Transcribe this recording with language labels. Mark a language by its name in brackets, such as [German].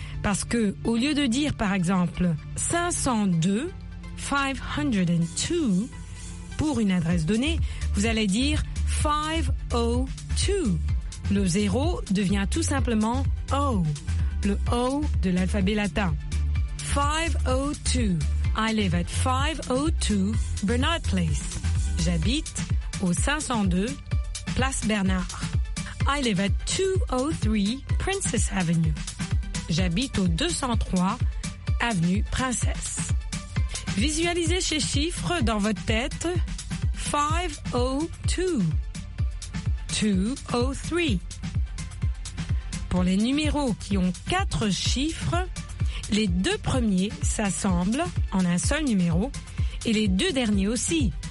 [French] Parce que, au lieu de dire, par exemple, 502, 502, pour une adresse donnée, vous allez dire 502. Le 0 devient tout simplement O, le O de l'alphabet latin. [English] 502, I live at 502 Bernard Place. [French] J'habite au 502 Place Bernard. [English] I live at 203 Princess Avenue. [French] J'habite au 203 Avenue Princesse. Visualisez ces chiffres dans votre tête. 502. 203. Pour les numéros qui ont quatre chiffres, les deux premiers s'assemblent en un seul numéro et les deux derniers aussi.